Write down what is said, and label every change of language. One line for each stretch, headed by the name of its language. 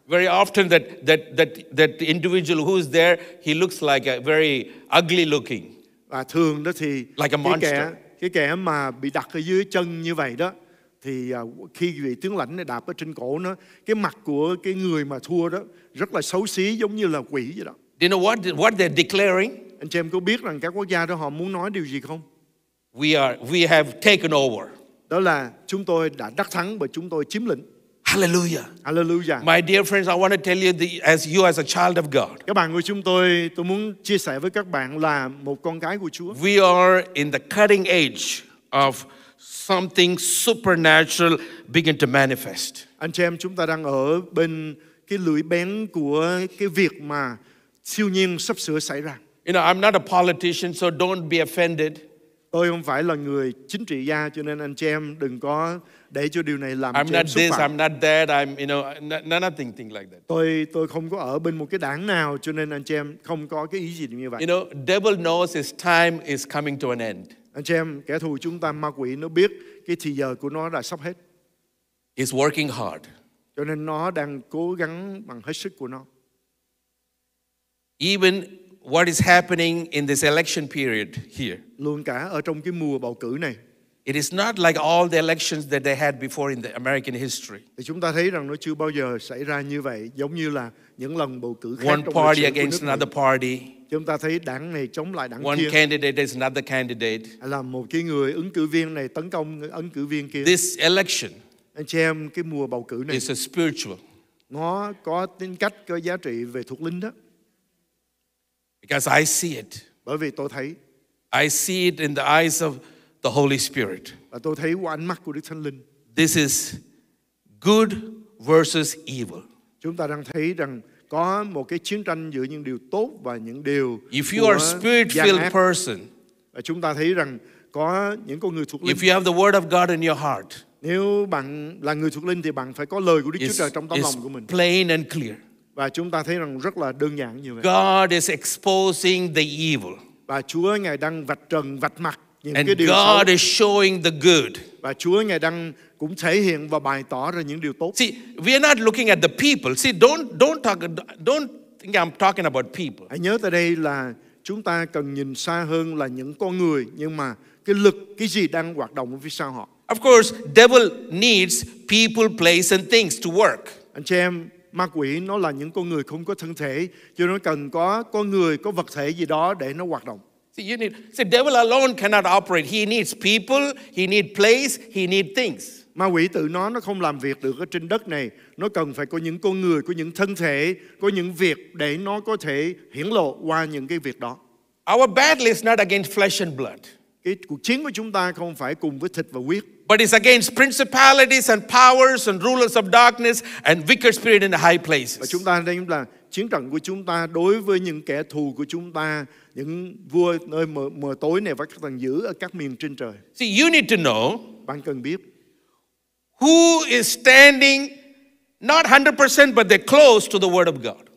English: Very often that individual who is there, he looks like a very ugly looking.
Vietnamese: Và thường đó thì
English: like a monster.
Vietnamese: Cái kẻ mà bị đặt ở dưới chân như vậy đó, thì khi vị tướng lãnh này đạp ở trên cổ nó, cái mặt của cái người mà thua đó rất là xấu xí, giống như là quỷ vậy đó.
English: Do you know what they're declaring?
Vietnamese: Anh chị em có biết rằng các quốc gia đó họ muốn nói điều gì không?
English: We have taken over.
Vietnamese: Đó là chúng tôi đã đắc thắng bởi chúng tôi chiếm lĩnh.
English: Hallelujah. Hallelujah. My dear friends, I want to tell you as a child of God.
Vietnamese: Các bạn của chúng tôi muốn chia sẻ với các bạn là một con cái của Chúa.
English: We are in the cutting edge of something supernatural begin to manifest.
Vietnamese: Anh chị em, chúng ta đang ở bên cái lưỡi bén của cái việc mà siêu nhiên sắp sửa xảy ra.
English: You know, I'm not a politician, so don't be offended.
Vietnamese: Tôi không phải là người chính trị gia, cho nên anh chị em đừng có để cho điều này làm
English: I'm not this, I'm not that, I'm, you know, nothing like that.
Vietnamese: Tôi không có ở bên một cái đảng nào, cho nên anh chị em không có cái ý gì như vậy.
English: You know, devil knows his time is coming to an end.
Vietnamese: Anh chị em, kẻ thù chúng ta, ma quỷ, nó biết cái thì giờ của nó đã sắp hết.
English: It's working hard.
Vietnamese: Cho nên nó đang cố gắng bằng hết sức của nó.
English: Even what is happening in this election period here.
Vietnamese: Luôn cả ở trong cái mùa bầu cử này.
English: It is not like all the elections that they had before in the American history.
Vietnamese: Thì chúng ta thấy rằng nó chưa bao giờ xảy ra như vậy, giống như là những lần bầu cử khác.
English: One party against another party.
Vietnamese: Chúng ta thấy đảng này chống lại đảng kia.
English: One candidate is another candidate.
Vietnamese: Là một cái người ứng cử viên này tấn công ứng cử viên kia.
English: This election.
Vietnamese: Anh chị em, cái mùa bầu cử này.
English: It's a spiritual.
Vietnamese: Nó có tính cách, có giá trị về thuộc linh đó.
English: Because I see it.
Vietnamese: Bởi vì tôi thấy.
English: I see it in the eyes of the Holy Spirit.
Vietnamese: Và tôi thấy qua ánh mắt của Đức Thánh Linh.
English: This is good versus evil.
Vietnamese: Chúng ta đang thấy rằng có một cái chiến tranh giữa những điều tốt và những điều
English: if you are a spirit-filled person,
Vietnamese: và chúng ta thấy rằng có những con người thuộc linh.
English: If you have the word of God in your heart,
Vietnamese: nếu bạn là người thuộc linh thì bạn phải có lời của Đức Chúa Trời trong tâm lòng của mình.
English: It's plain and clear.
Vietnamese: Và chúng ta thấy rằng rất là đơn giản như vậy.
English: God is exposing the evil.
Vietnamese: Và Chúa ngài đang vạch trần, vạch mặt những
English: and
Vietnamese: cái điều
English: God
Vietnamese: xấu.
English: And God is showing the good.
Vietnamese: Và Chúa ngài đang cũng thể hiện và bày tỏ ra những điều tốt.
English: See, we are not looking at the people. See, don't think I'm talking about people.
Vietnamese: Hãy nhớ tại đây là chúng ta cần nhìn xa hơn là những con người, nhưng mà cái lực, cái gì đang hoạt động ở phía sau họ.
English: Of course, devil needs people, place and things to work.
Vietnamese: Anh chị em, ma quỷ nó là những con người không có thân thể, cho nên nó cần có con người, có vật thể gì đó để nó hoạt động.
English: See, devil alone cannot operate. He needs people, he needs place, he needs things.
Vietnamese: Ma quỷ tự nó không làm việc được ở trên đất này. Nó cần phải có những con người, có những thân thể, có những việc để nó có thể hiển lộ qua những cái việc đó.
English: Our battle is not against flesh and blood.
Vietnamese: Cái cuộc chiến của chúng ta không phải cùng với thịt và huyết.
English: But it's against principalities and powers and rulers of darkness and wicked spirit in the high places.
Vietnamese: Và chúng ta đây là chiến trận của chúng ta đối với những kẻ thù của chúng ta, những vua nơi mờ tối này và các thần dữ ở các miền trên trời.
English: See, you need to know.
Vietnamese: Bạn cần biết.
English: Who is standing, not 100%, but they're close to the word of God.